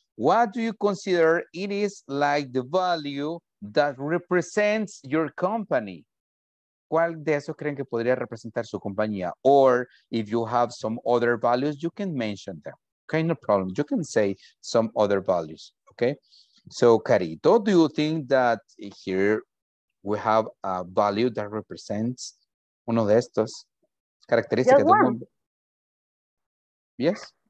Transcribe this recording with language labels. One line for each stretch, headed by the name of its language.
English: What do you consider it is like the value that represents your company?
Spanish: ¿Cuál de esos creen que podría representar su compañía?
English: Or if you have some other values, you can mention them. Okay, no problem. You can say some other values. Okay. So, Carito, do you think that here we have a value that represents
Spanish: uno de estos? Características del mundo.
English: Yes?